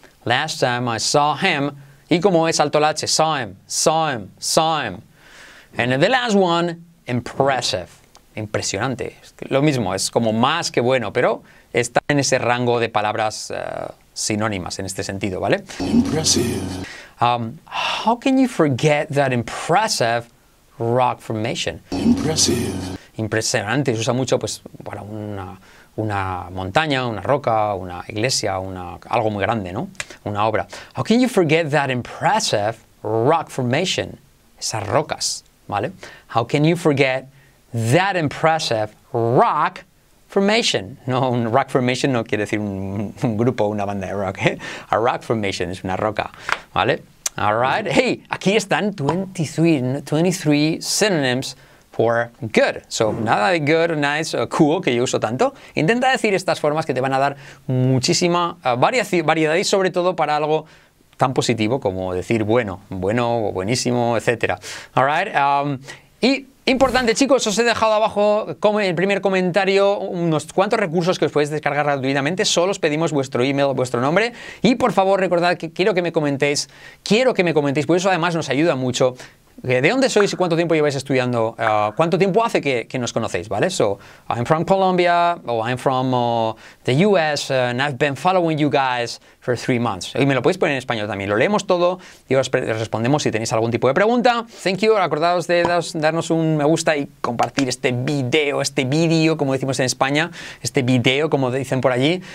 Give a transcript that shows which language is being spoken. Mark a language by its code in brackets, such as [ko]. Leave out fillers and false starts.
[en] Last time I saw him, [es] y como es alto la H, [en] saw him. And the last one, impressive, impresionante. [es] Lo mismo, es como más que bueno, pero está en ese rango de palabras sinónimas en este sentido, ¿vale? [en] Impressive. How can you forget that impressive rock formation? Impressive. [es] Impresionante. Se usa mucho pues, para una montaña, una roca, una iglesia, algo muy grande, ¿no? Una obra. [en] How can you forget that impressive rock formation? [es] Esas rocas, ¿vale? [en] How can you forget that impressive rock formation? [es] No, un rock formation no quiere decir un grupo, una banda de rock. ¿Eh? [en] A rock formation [es] es una roca, ¿vale? [en] All right. [es] Hey, aquí están [en] 23 synonyms for good. [es] So, nada de good, nice, cool, que yo uso tanto. Intenta decir estas formas que te van a dar muchísima variedad y sobre todo para algo tan positivo como decir bueno o buenísimo, etc. [en] All right. [es] Y importante, chicos, os he dejado abajo como en el primer comentario unos cuantos recursos que os podéis descargar gratuitamente. Solo os pedimos vuestro email, vuestro nombre. Y por favor, recordad que quiero que me comentéis, pues eso además nos ayuda mucho. ¿De dónde sois y cuánto tiempo lleváis estudiando? ¿Cuánto tiempo hace que nos conocéis? ¿Vale? [en] So, I'm from Colombia, or I'm from the US, and I've been following you guys for 3 months. [es] Y me lo podéis poner en español también. Lo leemos todo y os respondemos si tenéis algún tipo de pregunta. [en] Thank you. [es] Acordaos de darnos un me gusta y compartir este vídeo, como decimos en España, este vídeo, como dicen por allí.